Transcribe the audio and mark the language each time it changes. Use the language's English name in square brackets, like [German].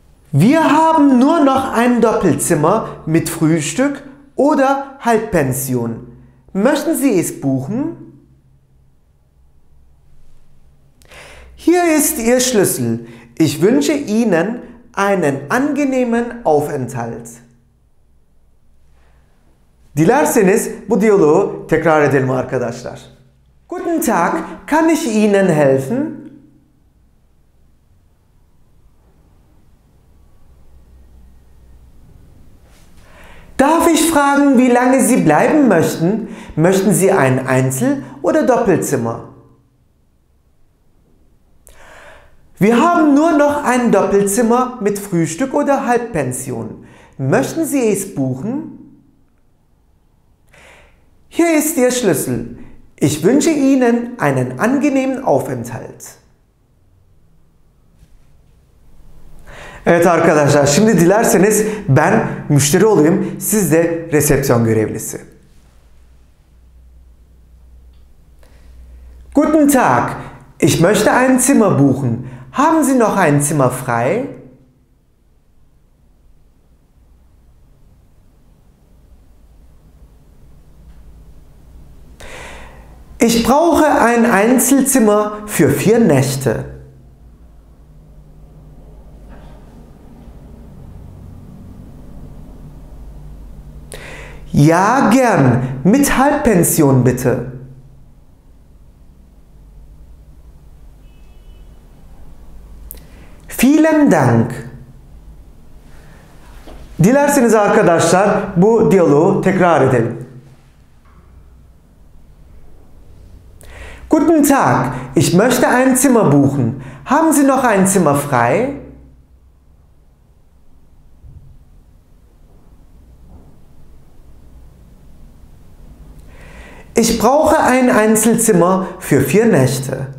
[German] Wir haben nur noch ein Doppelzimmer mit Frühstück oder Halbpension. Möchten Sie es buchen? Hier ist Ihr Schlüssel. Ich wünsche Ihnen einen angenehmen Aufenthalt. [Turkish] Dilerseniz bu diyaloğu tekrar edelim arkadaşlar. [German] Guten Tag, kann ich Ihnen helfen? Darf ich fragen, wie lange Sie bleiben möchten? Möchten Sie ein Einzel- oder Doppelzimmer? Wir haben nur noch ein Doppelzimmer mit Frühstück oder Halbpension. Möchten Sie es buchen? Hier ist Ihr Schlüssel. Ich wünsche Ihnen einen angenehmen Aufenthalt. [Turkish] Evet arkadaşlar, şimdi dilerseniz ben müşteri olayım, siz de resepsiyon görevlisi. [German] Guten Tag, ich möchte ein Zimmer buchen. Haben Sie noch ein Zimmer frei? Ich brauche ein Einzelzimmer für 4 Nächte. Ja, gern. Mit Halbpension bitte. Vielen Dank. [Turkish] Dilerseniz arkadaşlar bu diyaloğu tekrar edelim. [German] Guten Tag, ich möchte ein Zimmer buchen. Haben Sie noch ein Zimmer frei? Ich brauche ein Einzelzimmer für 4 Nächte.